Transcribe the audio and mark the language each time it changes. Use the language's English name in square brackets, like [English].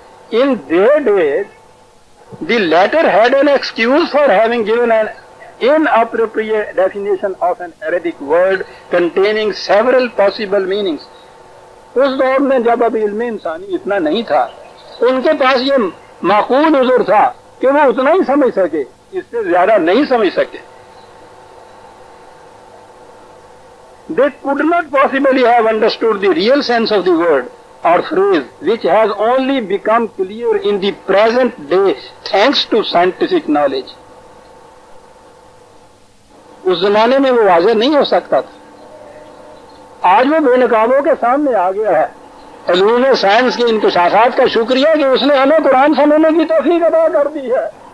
[English] In their days the latter had an excuse for having given an inappropriate definition of an Arabic word containing several possible meanings. [Urdu] اس دور میں جب اب علم انسانی اتنا نہیں تھا ان کے پاس یہ معقول عذر تھا کہ وہ اتنا ہی سمجھ سکے, اس سے زیادہ نہیں سمجھ سکے. [English] They could not possibly have understood the real sense of the word or phrase which has only become clear in the present day thanks to scientific knowledge. [Urdu] اس زمانے میں وہ واضح نہیں ہو سکتا تھا, آج وہ بے نقابوں کے سامنے آ گیا ہے. علوم سائنس کے انکشافات کا شکریہ کہ اس نے ہمیں قرآن سمجھنے کی توفیق ادا کر دی ہے.